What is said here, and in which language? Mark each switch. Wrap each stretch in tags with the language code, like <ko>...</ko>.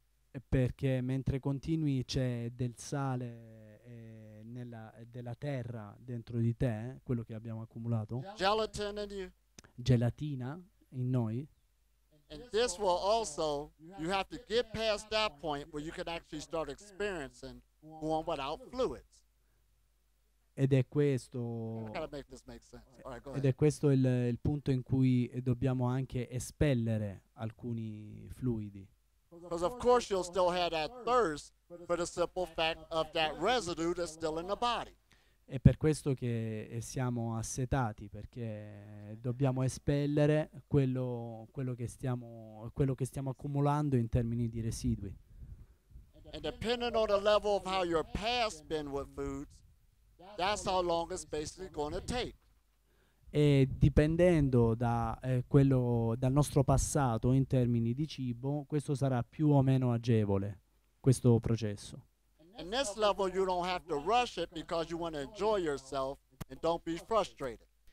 <it>E perché mentre continui c'è del sale della terra dentro di te, quello che abbiamo accumulato.</it> <en>Gelatin in you.</en> <it>Gelatina in noi.</it> <en>And this will also, you have to get past that point where you can actually start experiencing going without fluids.</en> <it>Ed è questo.</it> <en>Gotta make this make sense. All right, go</en> <it>ed</it> <en>ahead.</en> <it>È questo il punto in cui dobbiamo anche espellere alcuni fluidi.</it> <en>Because of course you'll still have that thirst for the simple fact of that residue that's still in the body.</en> <it>È per questo che siamo assetati, perché dobbiamo espellere quello che stiamo accumulando in termini di residui.</it> <en>And depending on the level of how your past been with foods, that's how long it's basically going to take.</en> <it>E dipendendo da quello dal nostro passato in termini di cibo, questo sarà più o meno agevole, questo processo.</it> <en>In this level you don't have to rush it because you want to enjoy yourself and don't be frustrated.</en>